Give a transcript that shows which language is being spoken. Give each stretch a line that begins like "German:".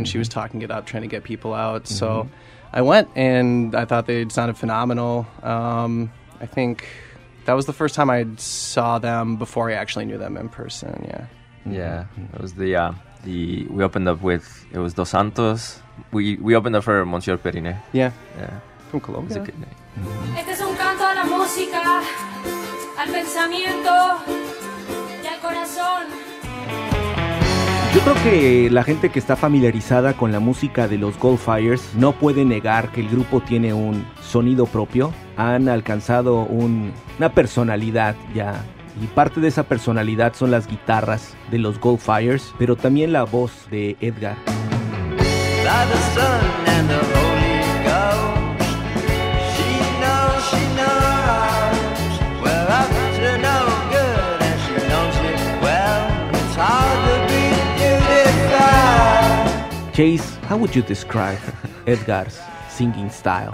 English: Mm-hmm. She was talking it up, trying to get people out. Mm-hmm. So I went, and I thought they sounded phenomenal. I think that was the first time I saw them before I actually knew them in person. Yeah. Yeah, it was the we opened up with, it was Dos Santos. We opened up for Monsieur Perinet. Yeah. Yeah. From Colombia. It's a good name.
Spanish: Este es un canto a la música, al pensamiento y al corazón. Yo creo que la gente que está familiarizada con la música de los Goldfires no puede negar que el grupo tiene un sonido propio. Han alcanzado una personalidad ya. Y parte de esa personalidad son las guitarras de los Goldfires, pero también la voz de Edgar.
English: By the sun and the Holy Ghost, she knows, well, I'm to no good, and she knows it well, it's hard to be beautiful. Chase, how would you describe Edgar's singing style?